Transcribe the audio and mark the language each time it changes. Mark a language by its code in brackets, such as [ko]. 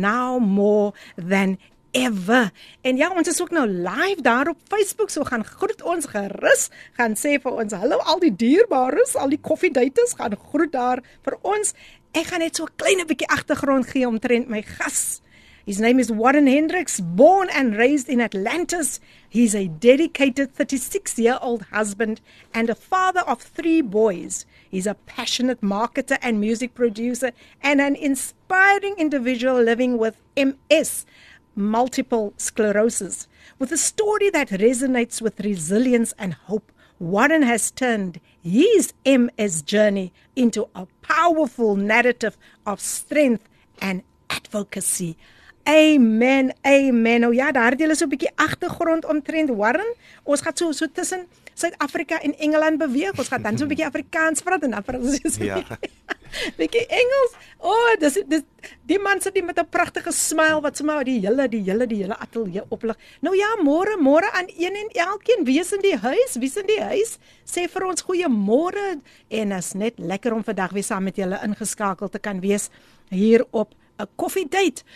[af] Now More Than Ever. En ja, ons is ook nou live daar op Facebook, so gaan groet ons gerus, gaan sê vir ons hallo al die dierbares, al die koffiedייters, gaan groet daar vir ons. Ek gaan net so 'n klein bietjie agtergrond gee omtrent my gas. [en] His name is Warren Hendricks, born and raised in Atlantis. He's a dedicated 36-year-old husband and a father of 3 boys. He's a passionate marketer and music producer and an inspiring individual living with MS. Multiple sclerosis. With a story that resonates with resilience and hope, Warren has turned his MS journey into a powerful narrative of strength and advocacy. Amen, amen. [af] Oh ja, daar het jy so 'n bietjie agtergrond omtrent Warren. Ons gaan so tussen Suid-Afrika en Engeland beweeg. Ons gaan dan so 'n bietjie Afrikaans praat en dan vir ons so ja. Bietjie Engels. O, dis die man sit hier met 'n pragtige smile wat sommer die hele ateljee oplig. Nou ja, môre aan een en elkeen. Wie is in die huis? Sê vir ons goeiemôre en is net lekker om vandag weer saam met julle ingeskakel te kan wees hier op 'n koffiedייט.